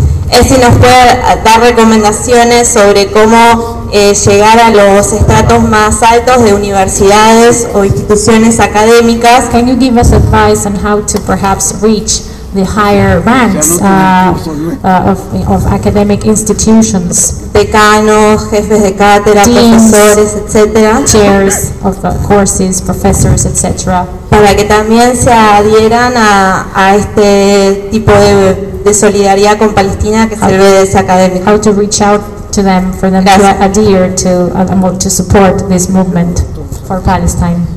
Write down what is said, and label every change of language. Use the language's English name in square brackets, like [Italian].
[Spanish] es si nos puede dar recomendaciones sobre cómo llegar a los estratos más altos de universidades o instituciones académicas. [English] Can you give us advice on how to perhaps reach the higher ranks of academic institutions, [Spanish] decanos, jefes de cátedra, profesores, etc., [English] chairs of courses, professors, etc., [Spanish] para que también se adhieran a este tipo de solidaridad con Palestina que se ve desde académico. [English] How to reach out to them for them. [Spanish] Gracias. [English] To adhere to support this movement for Palestine.